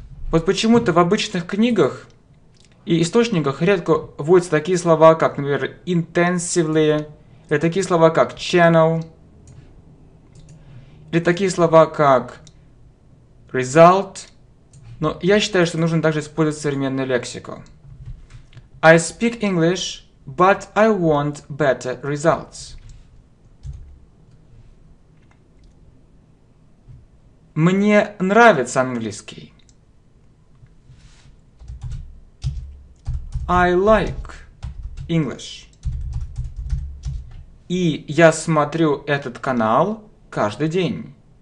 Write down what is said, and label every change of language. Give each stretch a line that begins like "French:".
Russian: Вот почему-то в обычных книгах и источниках редко вводятся такие слова, как, например, intensively, или такие слова, как channel, или такие слова, как result. Но я считаю, что нужно также использовать современную лексику.
English: I speak English, but I want better results.
Russian: Мне нравится английский.
English: I like English.
Russian: И я смотрю этот канал каждый день.